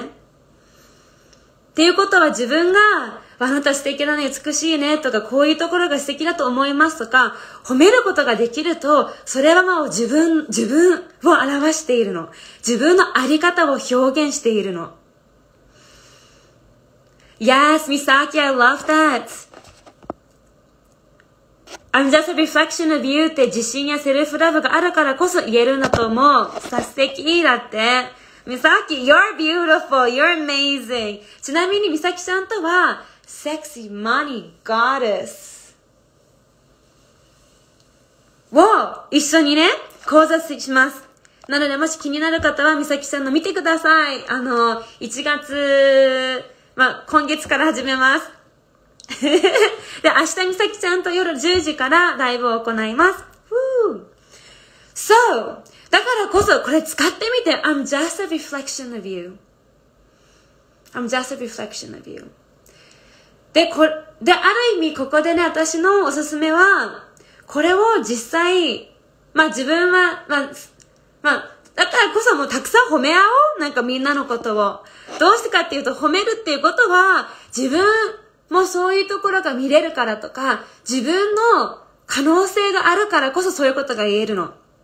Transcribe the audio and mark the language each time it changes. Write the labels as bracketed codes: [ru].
[ja] っていうことは自分が、あなた素敵だね、美しいね、とか、こういうところが素敵だと思いますとか、褒めることができると、それはもう自分を表しているの。自分のあり方を表現しているの。 [en] Yes, Misaki, I love that. I'm just a reflection of you [ja] って自信やセルフラブがあるからこそ言えるんだと思う。素敵だって。 [en] Misaki, you're beautiful, you're amazing. [ja] ちなみに Misaki ちゃんとは、セクシーマニーゴッデスを一緒にね、講座します。なので、もし気になる方は、美咲さんの見てください。1月、まあ、今月から始めます。で、明日美咲ちゃんと夜10時からライブを行います。 So, だからこそ、これ使ってみて。 [en] I'm just a reflection of you. I'm just a reflection of you. [ja] で、で、ある意味、ここでね、私のおすすめは、これを実際、まあ自分は、まあ、だからこそもうたくさん褒め合おう。なんかみんなのことを。どうしてかっていうと、褒めるっていうことは、自分もそういうところが見れるからとか、自分の可能性があるからこそそういうことが言えるの。